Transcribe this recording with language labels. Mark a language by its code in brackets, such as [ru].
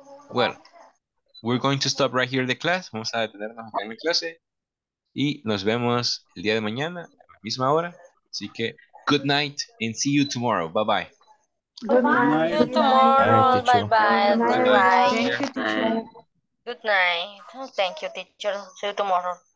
[en] Well, we're going to stop right here the class. [es] Vamos a detenernos acá en la clase. Y nos vemos el día de mañana, a la misma hora. Así que, [en] good night and see you tomorrow. Bye bye. Good night. See you tomorrow. Bye bye. Bye bye. Good night. Thank you, teacher. See you tomorrow.